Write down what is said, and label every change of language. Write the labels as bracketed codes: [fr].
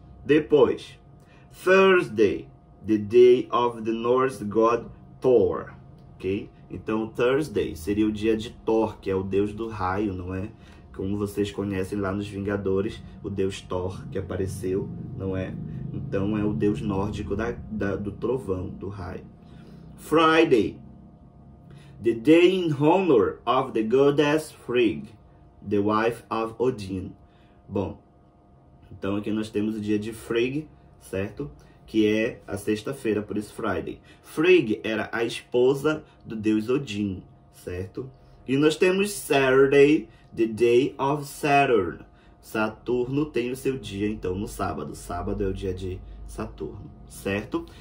[en] Depois, Thursday, the day of the Norse god Thor, ok? [pt] Então, Thursday seria o dia de Thor, que é o deus do raio, não é? Como vocês conhecem lá nos Vingadores, o deus Thor que apareceu, não é? Então, é o deus nórdico do trovão, do raio. [en] Friday, the day in honor of the goddess Frigg, the wife of Odin. [pt] Bom, então aqui nós temos o dia de Frigg, certo? Que é a sexta-feira, por isso Friday. Frigg era a esposa do deus Odin, certo? E nós temos [en] Saturday, the day of Saturn. [pt] Saturno tem o seu dia, então, no sábado. Sábado é o dia de Saturno, certo?